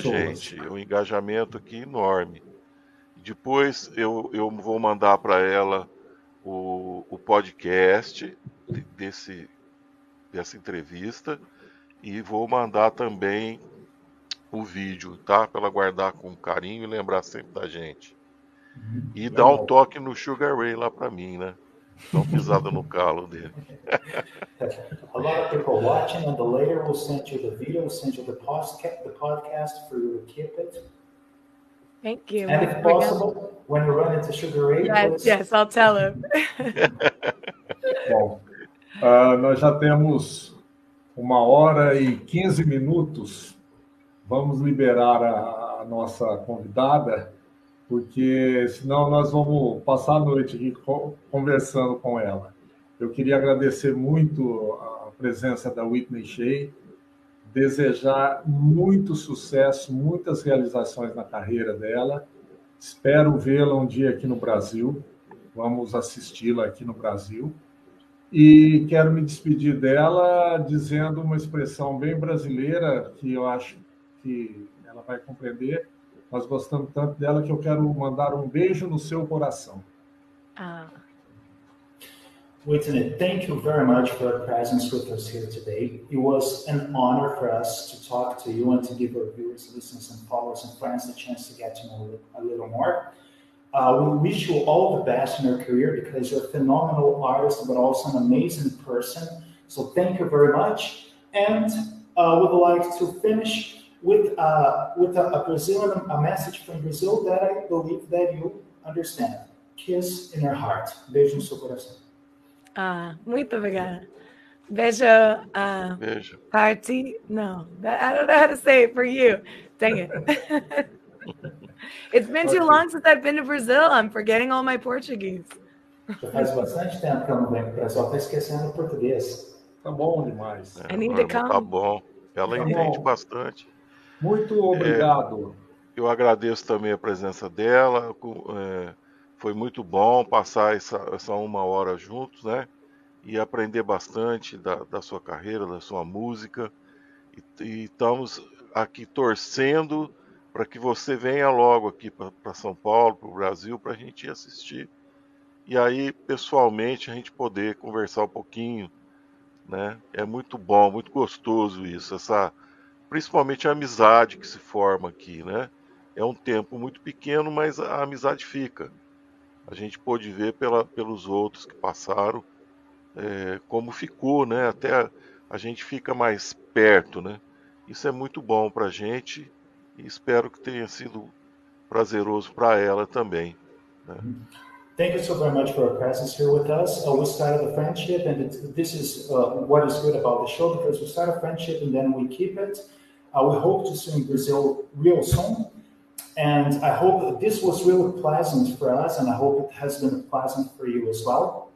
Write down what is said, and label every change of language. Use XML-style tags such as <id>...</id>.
<pt>gente, um engajamento aqui enorme. Depois eu vou mandar para ela o podcast dessa entrevista e vou mandar também o vídeo, tá? Para ela guardar com carinho e lembrar sempre da gente. E dar um toque no Sugar Ray lá para mim, né? Dá uma pisada no calo dele.</pt> <en>A lot of people watching, and the later we'll send you the video, we'll send you the podcast for you to keep it. Thank you. And if possible, when you run into Sugar Ray, yes, I'll tell him.</en> <pt>Bom, nós já temos 1 hora e 15 minutos. Vamos liberar a nossa convidada, porque senão nós vamos passar a noite aqui conversando com ela. Eu queria agradecer muito a presença da Whitney Shay, desejar muito sucesso, muitas realizações na carreira dela. Espero vê-la um dia aqui no Brasil, vamos assisti-la aqui no Brasil. E quero me despedir dela dizendo uma expressão bem brasileira que eu acho que ela vai compreender. Nós gostamos tanto dela que eu quero mandar um beijo no seu coração. Ah.</pt> <en>Whitney, thank you very much for your presence with us here today. It was an honor for us to talk to you and to give our viewers, listeners, and followers and friends a chance to get to know you a little more. We wish you all the best in your career because you're a phenomenal artist, but also an amazing person. So thank you very much. And we'd like to finish with a Brazilian, a message from Brazil that I believe that you understand. Kiss in your heart.</en> <pt>Beijo no seu coração. Ah, muito obrigada. Beijo. Beijo.</pt> <en>Party. No, I don't know how to say it for you. Dang it. It's been too long since I've been to Brazil. I'm forgetting all my Portuguese.</en> <pt>Faz bastante tempo que eu não venho para o Brasil. Estou esquecendo o português. Tá bom demais.</pt> <en>I need to come.</en> <pt>Tá bom. Ela entende bastante. Muito obrigado. Eu agradeço também a presença dela. Foi muito bom passar essa 1 hora juntos, né? E aprender bastante da sua carreira, da sua música. E estamos aqui torcendo para que você venha logo aqui para São Paulo, para o Brasil, para a gente assistir. E aí, pessoalmente, a gente poder conversar um pouquinho, né? É muito bom, muito gostoso isso. Principalmente a amizade que se forma aqui, né? É um tempo muito pequeno, mas a amizade fica. A gente pôde ver pelos outros que passaram, como ficou, né? Até a gente fica mais perto, né? Isso é muito bom para a gente e espero que tenha sido prazeroso para ela também. Né?</pt> <en>Thank you so very much for your presence here with us. We started a friendship, and this is what is good about the show, because we start a friendship and then we keep it. We hope to see you in Brazil real soon. And I hope that this was really pleasant for us, and I hope it has been pleasant for you as well.</en>